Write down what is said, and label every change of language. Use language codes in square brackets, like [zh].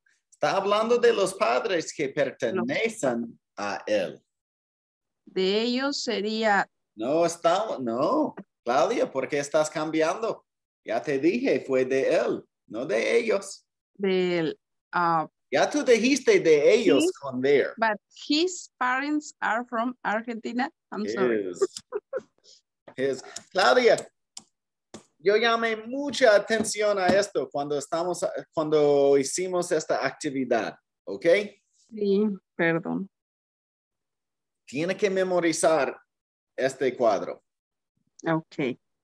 [es] Está hablando de los padres que pertenecen a él. De ellos sería... No, está... No, Claudia, ¿por qué estás cambiando? Ya te dije, fue de él, no de ellos. De él. Ya tú dijiste de ellos his, con there. [en] But his parents are from Argentina. I'm sorry. [es] Claudia, yo llamé mucha atención a esto cuando estamos, cuando hicimos esta actividad, ¿ok? Sí, perdón. Tiene que memorizar este cuadro. Ok.